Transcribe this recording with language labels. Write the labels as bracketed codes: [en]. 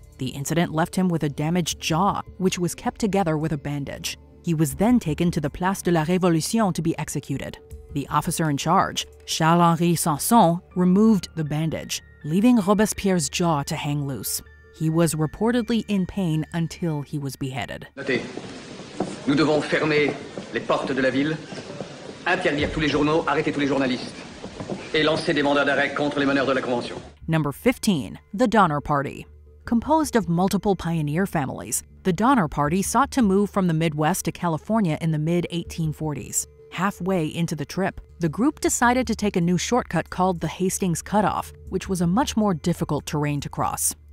[en] The incident left him with a damaged jaw, which was kept together with a bandage. He was then taken to the Place de la Révolution to be executed. The officer in charge, Charles-Henri Sanson, removed the bandage, leaving Robespierre's jaw to hang loose. He was reportedly in pain until he was beheaded. [fr] Notez, nous devons fermer les portes de la ville, interdire tous les journaux, arrêter tous les journalistes, et lancer des mandats d'arrêt contre les meneurs de la convention. [en] Number 15, the Donner Party. Composed of multiple pioneer families, the Donner Party sought to move from the Midwest to California in the mid-1840s. Halfway into the trip, the group decided to take a new shortcut called the Hastings Cutoff, which was a much more difficult terrain to cross.